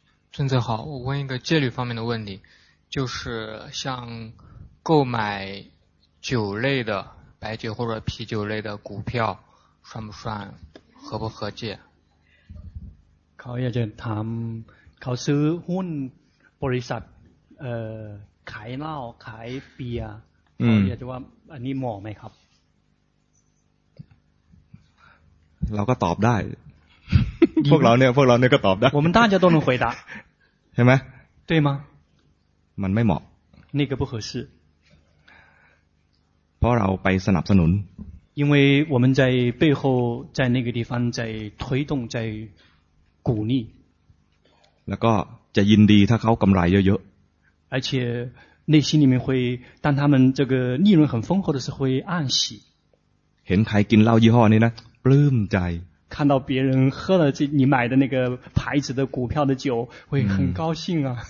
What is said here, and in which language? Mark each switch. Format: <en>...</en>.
<zh>尊者好我问一个戒律方面的问题就是像购买酒类的白酒或者啤酒类的股票算不算合不合戒</zh> <th>เขาอยากจะถามเขาซื้อหุ้นบริษัทขายเหล้าขายเบียร์เขาอยากจะว่าอันนี้เหมาะไหมครับ เราก็ตอบได้ พวกเราเนี่ยก็ตอบได้</th> <zh>我们大家都能回答</zh> <th>ใช่ไหม</th> <zh>对吗</zh> <th>มันไม่เหมาะ</th> <zh>那个不合适</zh> <th>เพราะเราไปสนับสนุน</th> <zh>因为我们在背后在那个地方在推动在鼓励</zh> <th>แล้วก็จะยินดีถ้าเขากำไรเยอะ</th> <zh>ๆ而且内心里面会当他们这个利润很丰厚的时候会暗喜</zh> <th>เห็นใครกินเหล้ายี่ห้อนี้นะปลื้มใจ</th> <zh>看到别人喝了这你买的那个牌子的股票的酒会很高兴啊</zh>